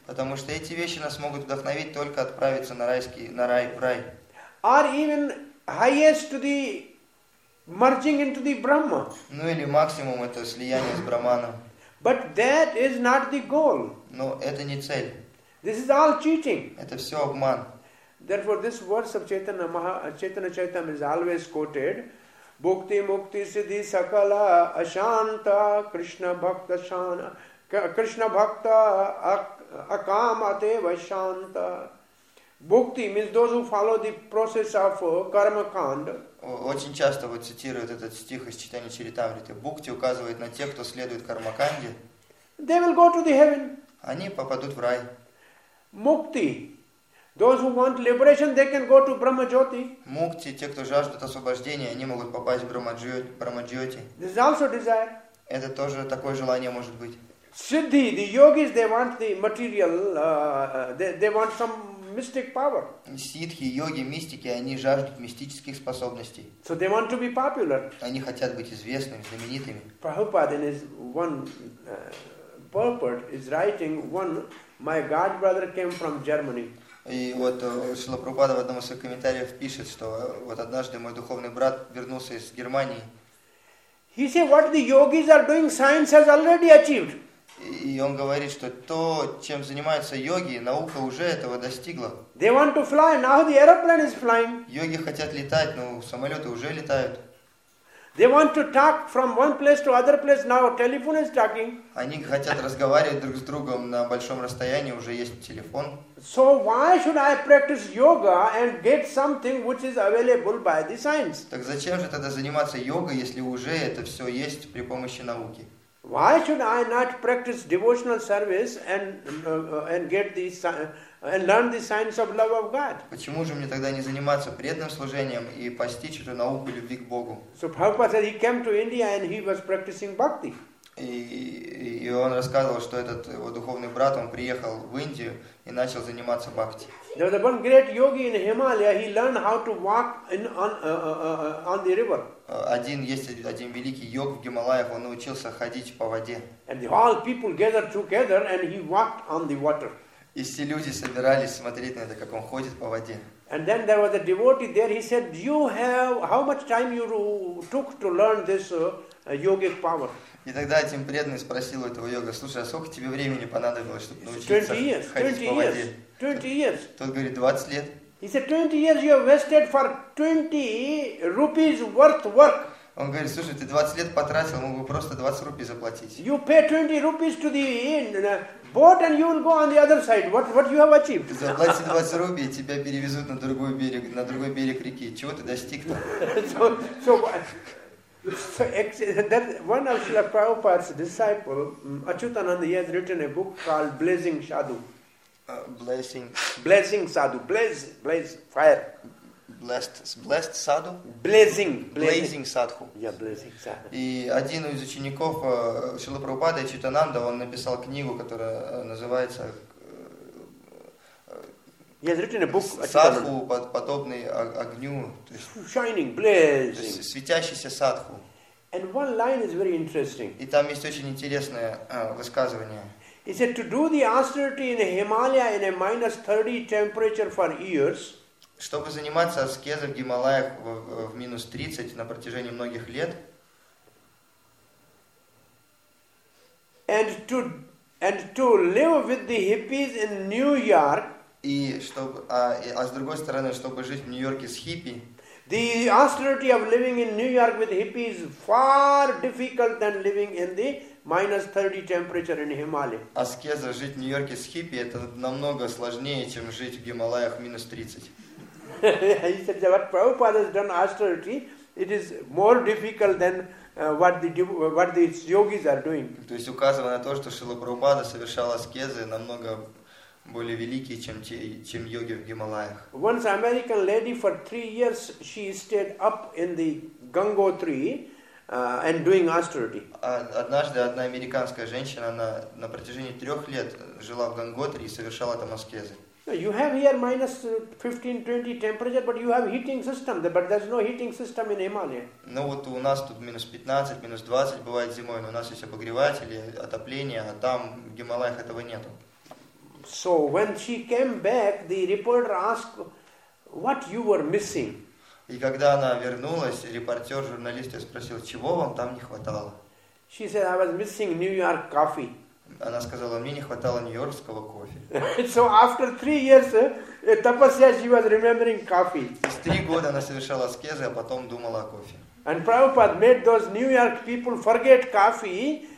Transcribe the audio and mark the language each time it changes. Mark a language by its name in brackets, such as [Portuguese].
[Russian] Потому что эти вещи нас могут вдохновить только отправиться на райский, на рай, в рай. [English] Or even highest to the merging into the Brahma. [Russian] Ну или максимум это слияние с Брахманом. [English] But that is not the goal. [Russian] Но это не цель. [English] This is all cheating. [Russian] Это все обман. [English] Therefore, this verse of Chaitanya Chaitanya is always quoted. [Sanskrit] Bhukti Mukti Siddhi Sakala Ashanta Krishna Bhakta Shana Krishna Bhakta Akamate Vashanta. [English] Bhukti means those who follow the process of karma kanda. [Russian] Очень часто вот цитируют этот стих из Чайтанья Чаритамриты. Бхукти указывает на тех, кто следует кармаканде. [English] They will go to the heaven. [Russian] Они попадут в рай. Мукти. [English] Those who want liberation, they can go to Брахмаджоти. [Russian] Мукти, те, кто жаждут освобождения, они могут попасть в Брахмаджоти. [English] This is also desire. [Russian] Это тоже такое желание может быть. [English] Siddhi, the yogis, they want the material, they want some mystic power. [Russian] Сиддхи, йоги, мистики, они жаждут мистических способностей. [English] So they want to be popular. [Russian] Они хотят быть известными, знаменитыми. [English] Prabhupada in his one purport is writing one, my god brother came from Germany. [Russian] И вот Шрила Прабхупада в одном из своих комментариев пишет, что вот однажды мой духовный брат вернулся из Германии. [English] He said what the yogis are doing, science has already achieved. [Russian] И он говорит, что то, чем занимаются йоги, наука уже этого достигла. [English] They want to fly. Now the aeroplane is flying. [Russian] Йоги хотят летать, но самолеты уже летают. [English] They want to talk from one place to other place. Now telephone is talking. [Russian] Они хотят разговаривать друг с другом на большом расстоянии, уже есть телефон. [English] So why should I practice yoga and get something which is available by the science? [Russian] Так зачем же тогда заниматься йогой, если уже это все есть при помощи науки? [English] Why should I not practice devotional service and get the and learn the science of love of God? [Russian] Почему же мне тогда не заниматься преданным служением и постичь эту науку любви к Богу? [English] So Prabhupada said he came to India and he was practicing bhakti. [Russian] И он рассказывал, что этот его духовный брат, он приехал в Индию и начал заниматься бхакти. [English] There was one great yogi in Himalaya. He learned how to walk on the river. [Russian] Один великий йог в Гималаях, он научился ходить по воде. [English] And the all people gathered together, and he walked on the water. [Russian] И все люди собирались смотреть на это, как он ходит по воде. [English] And then there was a devotee there. He said, "You have how much time you took to learn this yogic power?" [Russian] И тогда этим преданный спросил у этого йога: "Слушай, а сколько тебе времени понадобилось, чтобы научиться ходить по воде?" [English] 20 years. [Russian] Тот говорит: 20 лет. [English] He said, 20 years you have wasted for 20 rupees worth work. [Russian] Он говорит: "Слушай, ты 20 лет потратил, мог бы просто 20 рупий заплатить." [English] You pay 20 rupees to the boat and you will go on the other side. What you have achieved? [Russian] Ты заплати 20 рупий, тебя перевезут на другой берег, реки. Чего ты достиг-то? [English] So that one of Srila Prabhupada's disciple, Achyutananda, he has written a book called Blazing Sadhu. Blessing sadhu. Blaze fire. Blessed sadhu? Blazing sadhu. Yeah, blazing sadhu. [Russian] И один из учеников Шрилы Прабхупады, Читананда, он написал книгу, которая называется Садху, подобный огню. То есть, [English] shining, blazing. [Russian] То есть светящийся садху. [English] And one line is very interesting. [Russian] И там есть очень интересное высказывание. [English] He said, to do the austerity in a Himalaya in a minus 30 temperature for years. [Russian] Чтобы заниматься аскезой в Гималаях в минус 30 на протяжении многих лет. [English] And to live with the hippies in New York. [Russian] И чтобы, с другой стороны, чтобы жить в Нью-Йорке с хиппи. [English] The austerity of living in New York with hippies is far difficult than living in the minus 30 temperature in Himalaya. [Russian] Аскеза жить в Нью-Йорке с хиппи это намного сложнее, чем жить в Гималаях минус 30. [English] He said what Prabhupada has done austerity, it is more difficult than what the yogis are doing. [Russian] То есть указывая на то, что Шрила Прабхупада совершал аскезы намного более великие, чем йоги в Гималаях. [English] Once American lady for 3 years she stayed up in the Gangotri and doing austerity. [Russian] Однажды одна американская женщина она на протяжении 3 лет жила в Ганготри и совершала там аскезы. [English] You have here minus 15-20 temperature, but you have heating system. But there's no heating system in Himalaya. [Russian] Ну вот у нас тут минус 15, минус 20 бывает зимой, но у нас есть обогреватели, отопление, а там в Гималаях этого нету. [English] So when she came back, the reporter asked, "What you were missing?" [Russian] И когда она вернулась, репортер журналист спросил, чего вам там не хватало. [English] She said, "I was missing New York coffee." [Russian] Она сказала, мне не хватало нью-йоркского кофе. [English] So after 3 years, tapasya, she was remembering coffee. [Russian] 3 года она совершала аскезы, а потом думала о кофе. [English] And Prabhupada made those New York people forget coffee.